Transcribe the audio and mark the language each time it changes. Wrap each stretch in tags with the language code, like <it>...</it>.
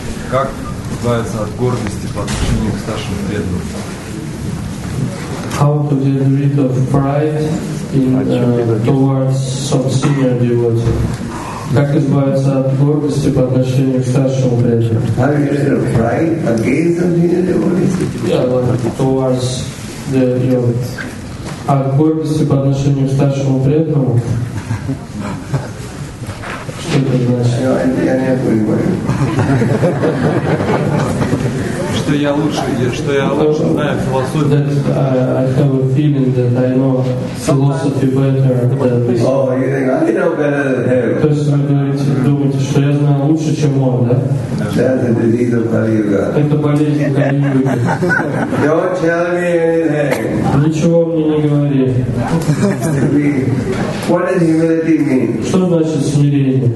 <ru>Как избавиться от гордости по отношению к старшим преданным?</ru> <en>How to get rid of pride in towards some senior devotee?</en> <ru>Как избавиться от гордости по отношению к старшему преданному?</ru> <en>How to get rid of pride against some senior devotee? Yeah, like towards the devotee.</en> <ru>От гордости по отношению к старшему преданному? Что я лучше, что я лучше знаю философию.</ru> <en>I have a feeling that I know philosophy better than this. Oh, you think I know better than him?</en> <ru>То есть вы говорите, думаете, что я знаю лучше, чем он, да?</ru> <en>That's a disease of Kali Yuga.</en> <ru>Это болезнь Кали Юги.</ru> <en>Don't tell me anything.</en> <ru>Ничего мне не говори.</ru> <en>What does humility mean?</en> <ru>Что значит смирение?</ru>